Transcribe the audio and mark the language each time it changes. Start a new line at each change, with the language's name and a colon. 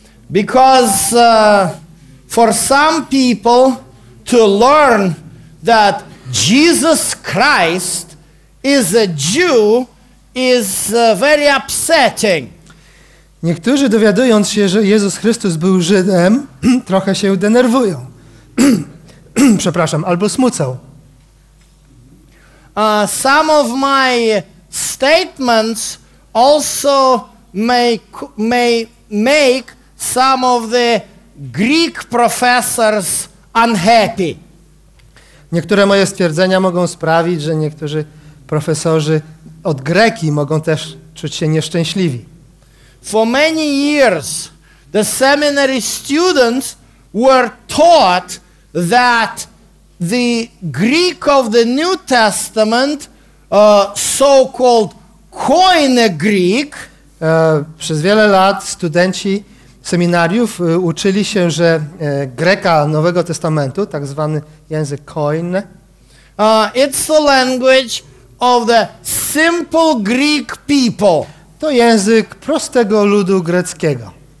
English: Because for some people to learn that Jesus Christ is a Jew is very upsetting.
Polish: Niektórzy, dowiadując się, że Jezus Chrystus był Żydem, trochę się denerwują. Przepraszam, albo smucą.
English: Some of my statements also may make some of the Greek professors unhappy.
Polish: Niektóre moje stwierdzenia mogą sprawić, że niektórzy profesorzy od Greki mogą też czuć się nieszczęśliwi.
English: For many years the seminary students were taught that the Greek of the New Testament, so-called Koine Greek,
Polish: przez wiele lat studenci seminariów uczyli się, że Greka Nowego Testamentu, tak zwany język Koine,
English: it's the language of the simple Greek people.
Polish: To język prostego ludu greckiego.